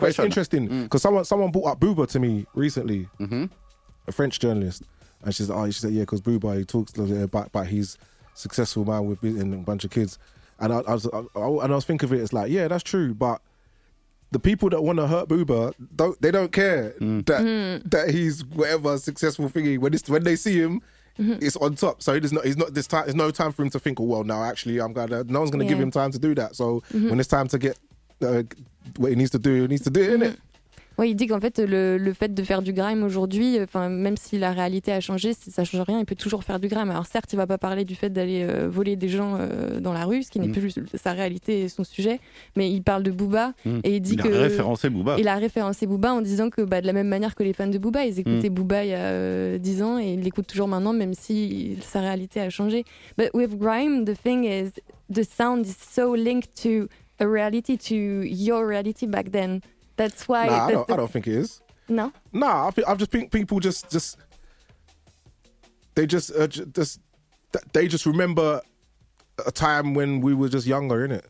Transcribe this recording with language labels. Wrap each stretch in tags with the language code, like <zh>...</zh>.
<en>It's interesting because someone brought up Booba to me recently, a French journalist, and she said, yeah, because Booba, he talks about he's successful man with a bunch of kids, and I was thinking of it as like, yeah, that's true, but the people that want to hurt Booba don't care that he's whatever successful thingy when they see him. Mm-hmm. It's on top, so there's no time for him to think, oh well, now actually I'm gonna, no one's gonna give him time to do that, so when it's time to get what he needs to do innit.</en> <fr>Ouais, il dit qu'en fait le fait de faire du grime aujourd'hui, enfin même si la réalité a changé, ça change rien, il peut toujours faire du grime. Alors certes, il va pas parler du fait d'aller voler des gens dans la rue, ce qui n'est plus sa réalité et son sujet, mais il parle de Booba et il dit il a référencé Booba en disant que de la même manière que les fans de Booba, ils écoutaient Booba il y a 10 ans et ils l'écoutent toujours maintenant même si sa réalité a changé.</fr> <en>But with grime, the thing is the sound is so linked to a reality, to your reality back then. That's why. Nah, I don't think it is. No. Nah, I just think people just remember a time when we were just younger, innit?</en>